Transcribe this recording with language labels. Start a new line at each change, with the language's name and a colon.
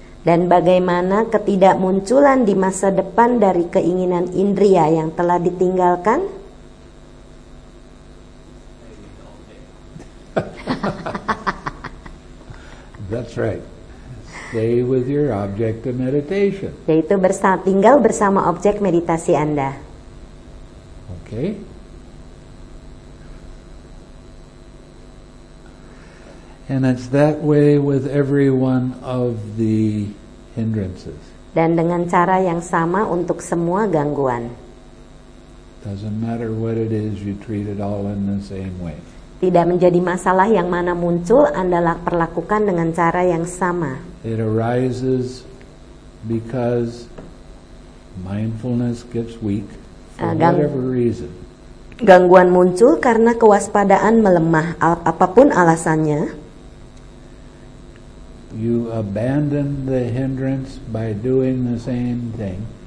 Indonesian: Dan bagaimana ketidakmunculan di masa depan dari keinginan indria yang telah ditinggalkan?
English: That's right. Stay with your object of meditation.
Indonesian: Yaitu tinggal bersama objek meditasi Anda.
English: Okay. And it's that way with every one of the hindrances.
Indonesian: Dan dengan cara yang sama untuk semua gangguan.
English: Doesn't matter what it is, you treat it all in the same way.
Indonesian: Tidak menjadi masalah yang mana muncul, Anda perlakukan dengan cara yang sama.
English: It arises because mindfulness gets weak for whatever reason.
Indonesian: Gangguan muncul karena kewaspadaan melemah, apapun alasannya.
English: You abandon the hindrance by doing the same thing.